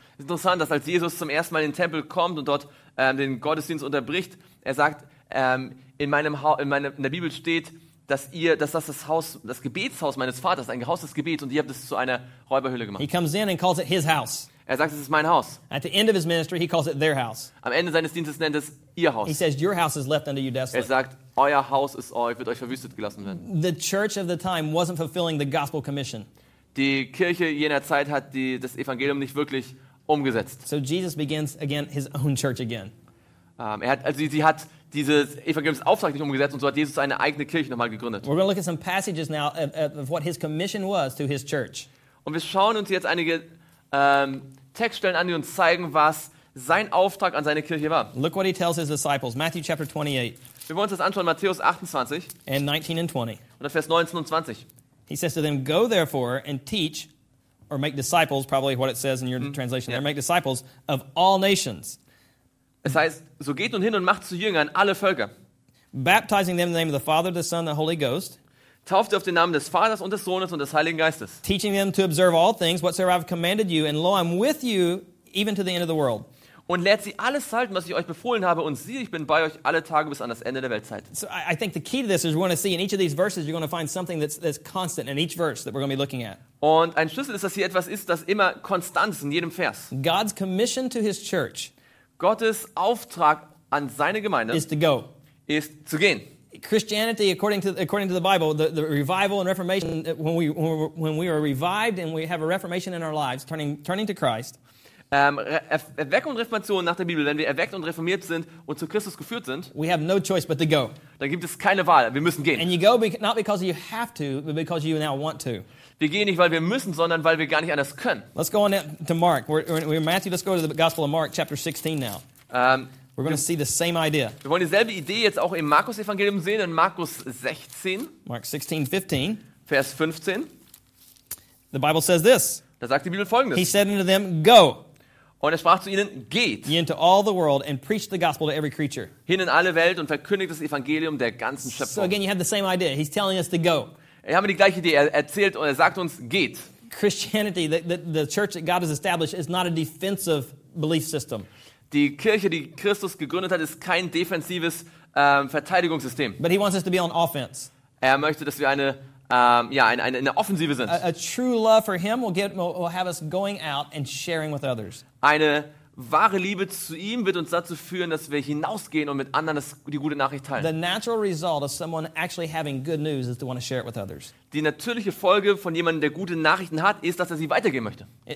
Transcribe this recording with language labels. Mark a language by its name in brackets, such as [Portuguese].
[German] Es ist interessant, dass als Jesus zum ersten Mal in den Tempel kommt und dort den Gottesdienst unterbricht, er sagt, in der Bibel steht, dass das Gebetshaus meines Vaters, ein Haus des Gebets, und ihr habt es zu einer Räuberhöhle gemacht. [English] He comes in and calls it his house. [German] Er sagt, es ist mein Haus. [English] At the end of his ministry, he calls it their house. [German] Am Ende seines Dienstes nennt es ihr Haus. [English] He says, your house is left unto you desolate. [German] Er sagt, euer Haus ist euch, wird euch verwüstet gelassen werden. [English] The church of the time wasn't fulfilling the gospel commission. [German] Die Kirche jener Zeit hat das Evangelium nicht wirklich umgesetzt. [English] So Jesus begins again his own church again. [German] Sie hat dieses Evangeliums Auftrag nicht umgesetzt und so hat Jesus seine eigene Kirche nochmal gegründet. [English] We're going to look at some passages now of what his commission was to his church. [German] Und wir schauen uns jetzt einige Textstellen an, die uns zeigen, was sein Auftrag an seine Kirche war. [English] Look what he tells his disciples, Matthew chapter 28. [German] Wir wollen uns das anschauen, Matthäus 28. [English] And 19 and 20. [German] Und Vers 19 und 20. [English] He says to them, go therefore and teach, or make disciples, probably what it says in your translation there, make disciples of all nations. [German] Es heißt, so geht nun hin und macht zu Jüngern alle Völker. [English] Baptizing them in the name of the Father, the Son, the Holy Ghost. [German] Tauft sie auf den Namen des Vaters und des Sohnes und des Heiligen Geistes. [English] Teaching them to observe all things whatsoever I have commanded you, and lo, I'm with you even to the end of the world. [German] Und lehrt sie alles halten, was ich euch befohlen habe, und siehe, ich bin bei euch alle Tage bis an das Ende der Weltzeit. [English] So I think the key to this is we're going to see in each of these verses you're going to find something that's constant in each verse that we're going to be looking at. [German] Und ein Schlüssel ist, dass hier etwas ist, das immer konstant ist in jedem Vers. [English] God's commission to his church. [German] Gottes Auftrag an seine Gemeinde [English] is to go. [German] Ist zu gehen. [English] Christianity, according to the Bible, the revival and reformation, when we are revived and we have a reformation in our lives, turning to Christ. [German] Erweckung und Reformation nach der Bibel, wenn wir erweckt und reformiert sind und zu Christus geführt sind, [English] we have no choice but to go. [German] Dann gibt es keine Wahl, wir müssen gehen. [English] And you go not because you have to, but because you now want to. [German] Wir gehen nicht, weil wir müssen, sondern weil wir gar nicht anders können. [English] Let's go on to Mark. We're Matthew, let's go to the Gospel of Mark, chapter 16 now. We're going to see the same idea. [German] Wir wollen dieselbe Idee jetzt auch im Markus-Evangelium sehen, in Markus 16. [English] Mark 16, 15. [German] Vers 15. [English] The Bible says this. [German] Da sagt die Bibel Folgendes. [English] He said unto them, go. [German] Und er sprach zu ihnen, geht. [English] Ye into all the world and preach the gospel to every creature. [German] Hin in alle Welt und verkündigt das Evangelium der ganzen Schöpfung. [English] So again, you have the same idea. He's telling us to go. [German] Wir haben die gleiche Idee. Er erzählt und er sagt uns, geht. [English] Christianity, the church that God has established, is not a defensive belief system. [German] Die Kirche, die Christus gegründet hat, ist kein defensives Verteidigungssystem. [English] But he wants us to be on offense. [German] Er möchte, dass wir eine Offensive sind. [English] A true love for him will have us going out and sharing with others. [German] Eine wahre Liebe zu ihm wird uns dazu führen, dass wir hinausgehen und mit anderen die gute Nachricht teilen. [English] The natural result of someone actually having good news is to want to share it with others. [German] Die natürliche Folge von jemandem, der gute Nachrichten hat, ist, dass er sie weitergeben möchte.